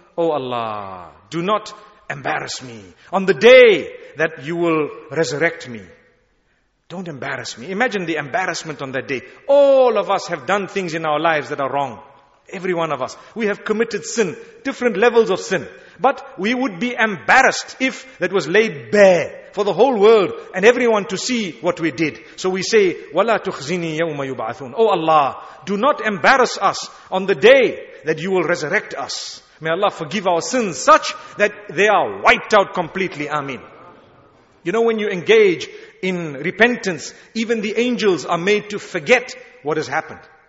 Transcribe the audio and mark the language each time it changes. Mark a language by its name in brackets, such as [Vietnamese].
[English] Oh Allah, do not embarrass me on the day that you will resurrect me. Don't embarrass me. Imagine the embarrassment on that day. All of us have done things in our lives that are wrong. Every one of us. We have committed sin, different levels of sin. But we would be embarrassed if that was laid bare for the whole world and everyone to see what we did. So we say, [Arabic] وَلَا تُخْزِنِي يَوْمَ يُبْعَثُونَ. [English] Oh Allah, do not embarrass us on the day that you will resurrect us. May Allah forgive our sins such that they are wiped out completely. Ameen. You know, when you engage in repentance, even the angels are made to forget what has happened.